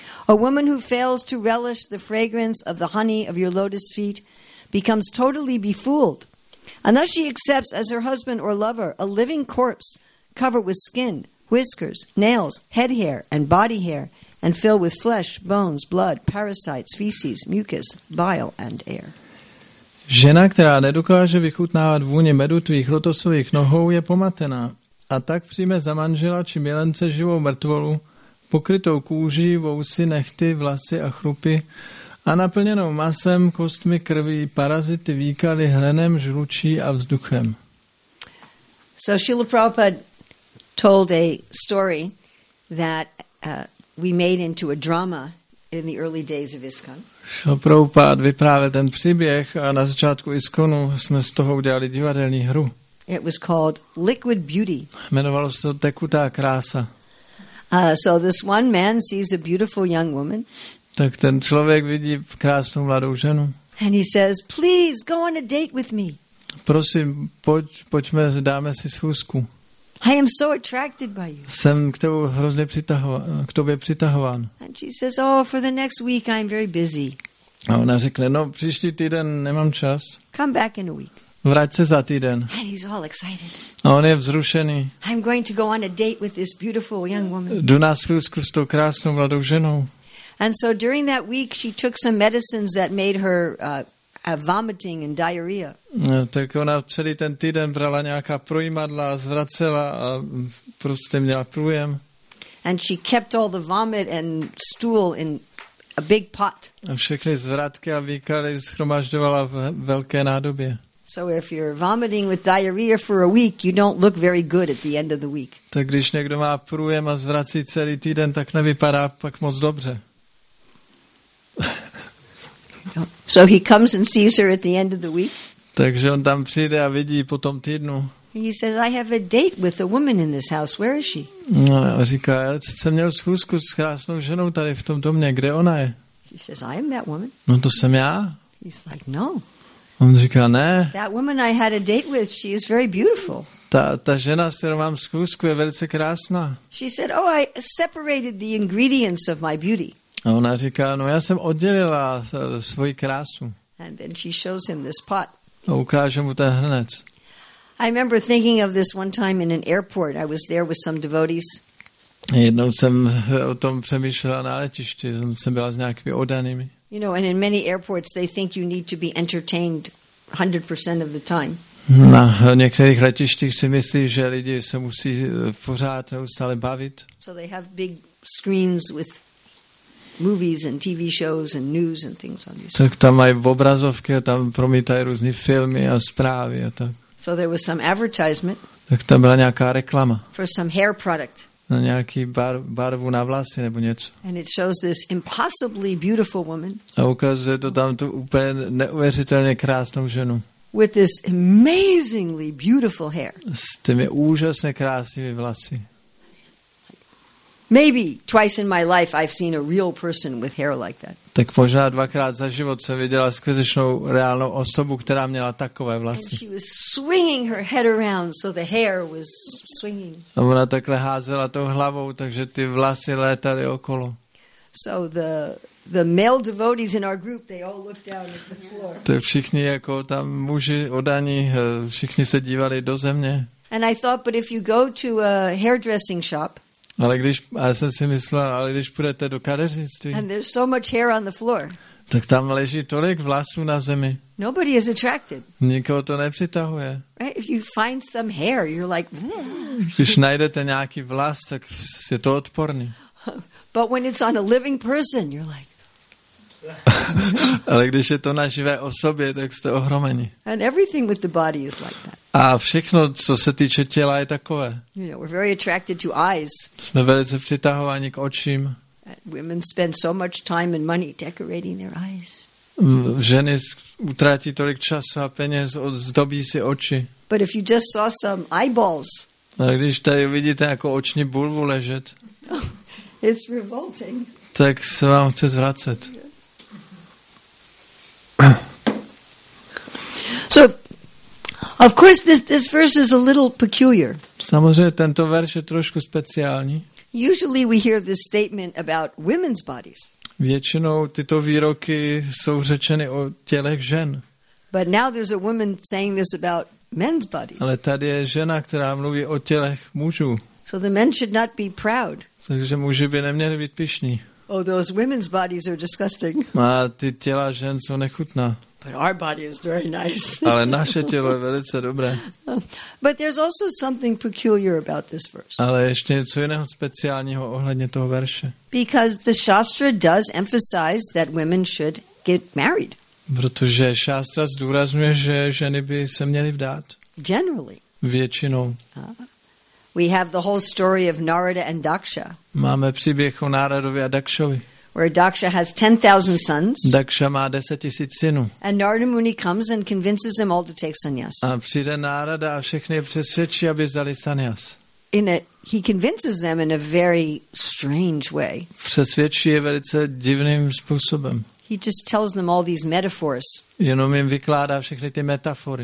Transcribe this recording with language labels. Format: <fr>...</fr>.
<en>A woman who fails to relish the fragrance of the honey of your lotus feet becomes totally befooled, and thus she accepts as her husband or lover a living corpse covered with skin, whiskers, nails, head hair, and body hair, and filled with flesh, bones, blood, parasites, feces, mucus, bile, and air.</en> <cs>Žena, která nedokáže vychutnávat vůně medu tvých lotosových nohou, je pomatená a tak přijme za manžela či milence živou mrtvolu, pokrytou kůží, vousy, nechty, vlasy a chrupy a naplněnou masem, kostmi, krví, parazity, výkaly, hlenem, žlučí a vzduchem.</cs> <en>So Srila Prabhupada told a story that we made into a drama in the early days of ISKCON.</en> <cs>Srila Prabhupada vyprávěl ten příběh a na začátku ISKCONu jsme z toho udělali divadelní hru.</cs> <en>It was called Liquid Beauty.</en> <cs>Jmenovalo se to Tekutá krása.</cs> <en>So this one man sees a beautiful young woman.</en> <cs>Tak ten člověk vidí krásnou mladou ženu.</cs> <en>And he says, please go on a date with me.</en> <cs>Prosím, pojďme, dáme si schůzku.</cs> <en>I am so attracted by you.</en> <cs>Jsem k tobě hrozně přitahován.</cs> <en>And she says, oh, for the next week I'm very busy.</en> <cs>A ona řekne, no, příští týden nemám čas.</cs> <en>Come back in a week.</en> <cs>Vrať se za týden.</cs> <en>And he's all excited.</en> <cs>A on je vzrušený.</cs> <en>I'm going to go on a date with this beautiful young woman.</en> <cs>Jdu na schůzku s tou krásnou mladou ženou.</cs> <en>And so during that week she took some medicines that made her have vomiting and diarrhea.</en> <cs>No, tak ona celý ten týden brala nějaká projímadla, zvracela a prostě měla průjem.</cs> <en>And she kept all the vomit and stool in a big pot.</en> <cs>A všechny zvratky a výkaly schromažďovala v velké nádobě.</cs> <en>So if you're vomiting with diarrhea for a week, you don't look very good at the end of the week.</en> <cs>Tak když někdo má průjem a zvrací celý týden, tak nevypadá pak moc dobře.</cs> <en>So he comes and sees her at the end of the week.</en> <cs>Takže on tam přijde a vidí po tom týdnu.</cs> <en>He says, I have a date with a woman in this house. Where is she?</en> <cs>No, a říká, já jsem měl schůzku s krásnou ženou tady v tom domě. Kde ona je?</cs> <en>He says, I am that woman.</en> <cs>No, to jsem já.</cs> <en>He's like, no.</en> <cs>On říká, ne.</cs> <en>That woman I had a date with, she is very beautiful.</en> <cs>Ta žena, s kterou mám schůzku, je velice krásná.</cs> <en>She said, oh, I separated the ingredients of my beauty.</en> <cs>A ona říká, no já jsem oddělila svoji krásu.</cs> <en>And then she shows him this pot.</en> <cs>A ukáže mu ten hrnec.</cs> <en>I remember thinking of this one time in an airport. I was there with some devotees.</en> <cs>Jednou jsem o tom přemýšlela na letišti. Jsem byla s nějakými oddanými.</cs> <en>You know, and in many airports they think you need to be entertained 100% of the time.</en> <cs>Na některých letištích si myslí, že lidi se musí pořád neustále bavit.</cs> <en>So they have big screens with movies and TV shows and news and things on these.</en> <cs>Tak tam mají obrazovky, tam promítají různé filmy a zprávy a tak.</cs> <en>So there was some advertisement.</en> <cs>Tak tam byla nějaká reklama.</cs> <en>For some hair product.</en> <cs>Na nějaký barvu na vlasy nebo něco.</cs> <en>And it shows this impossibly beautiful woman.</en> <cs>A ukazuje to tam tu úplně neuvěřitelně krásnou ženu.</cs> <en>With this amazingly beautiful hair.</en> <cs>S těmi úžasně krásnými vlasy.</cs> <en>Maybe twice in my life I've seen a real person with hair like that.</en> <cs>Tak možná dvakrát za život jsem viděla skutečnou reálnou osobu, která měla takové vlasy.</cs> <en>And she was swinging her head around, so the hair was swinging.</en> <cs>A ona takhle házela tou hlavou, takže ty vlasy létaly okolo.</cs> <en>So the male devotees in our group, they all looked down at the floor.</en> <cs>To všichni jako tam muži odaní, všichni se dívali do země.</cs> <en>And I thought, but if you go to a hairdressing shop.</en> <cs>Ale když, já jsem si myslel, ale když půjdete do kadeřnictví,</cs> <en>and there's so much hair on the floor,</en> <cs>tak tam leží tolik vlasů na zemi.</cs> <en>Nobody is attracted.</en> <cs>Nikoho to nepřitahuje.</cs> <en>Right? If you find some hair, you're like,</en> <cs>když najdete nějaký vlas, tak je to odporný.</cs> <en>But when it's on a living person, you're like,</en> <cs>ale když je to na živé osobě, tak jste ohromeni.</cs> <en>And everything with the body is like that.</en> <cs>A všechno, co se týče těla, je takové.</cs> <en>You know, we're very attracted to eyes.</en> <cs>Jsme velice přitahováni k očím.</cs> <en>Women spend so much time and money decorating their eyes.</en> <cs>Ženy utrátí tolik času a peněz, zdobí si oči.</cs> <en>But if you just saw some eyeballs.</en> <cs>A když tady vidíte jako oční bulvu ležet.</cs> <en>It's revolting.</en> <cs>Tak se vám chce zvracet.</cs> <en>So of course this verse is a little peculiar.</en> <cs>Samozřejmě tento verš je trošku speciální.</cs> <en>Usually we hear this statement about women's bodies.</en> <cs>Většinou tyto výroky jsou řečeny o tělech žen.</cs> <en>But now there's a woman saying this about men's bodies.</en> <cs>Ale tady je žena, která mluví o tělech mužů.</cs> <en>So the men should not be proud.</en> <cs>Takže muži by neměli být pyšní.</cs> <en>Oh, those women's bodies are disgusting.</en> <cs>A ty těla žen jsou nechutná.</cs> <en>But our body is very nice.</en> <cs>Ale naše tělo je velice dobré.</cs> <en>But there's also something peculiar about this verse.</en> <cs>Ale ještě něco jiného speciálního ohledně toho verše.</cs> <en>Because the Shastra does emphasize that women should get married.</en> <cs>Protože šástra zdůrazňuje, že ženy by se měly vdát.</cs> <en>Generally.</en> <cs>Většinou.</cs> <en>We have the whole story of Narada and Daksha.</en> <cs>Máme příběh o Náradovi a Dakšovi.</cs> <en>Where Daksha has 10,000 sons.</en> <cs>Daksha má 10,000 synů.</cs> <en>And Narada Muni comes and convinces them all to take sannyas.</en> <cs>A přijde Narada a všechny přesvědčí, aby vzali sannyas.</cs> <en>In it, he convinces them in a very strange way.</en> <cs>Přesvědčí je velice divným způsobem.</cs> <en>He just tells them all these metaphors.</en> <cs>Jenom jim vykládá všechny ty metafory.</cs>